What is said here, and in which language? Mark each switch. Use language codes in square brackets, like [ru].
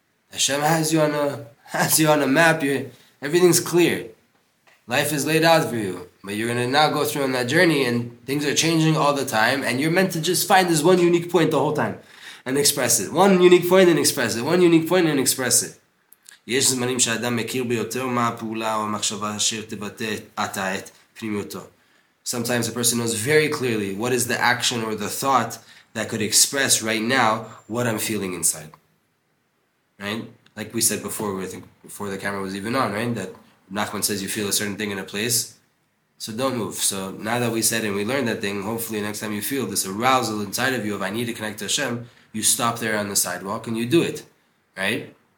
[en] Hashem has you on a map. Everything's clear. Life is laid out for you. But you're going to now go through on that journey and things are changing all the time and you're meant to just find this one unique point the whole time and express it. One unique point and express it. One unique point and express it. [he] יש זמנים שאדם מכיר ביותר מה הפעולה או המחשבה אשר תבטא אתה את פנימיותו. [en] Sometimes a person knows very clearly what is the action or the thought that could express right now what I'm feeling inside. Right? Like we said before, I think before the camera was even on, right? That Nachman says you feel a certain thing in a place, so don't move. So now that we said and we learned that thing, hopefully next time you feel this arousal inside of you of I need to connect to Hashem, you stop there on the sidewalk and you do it. Right?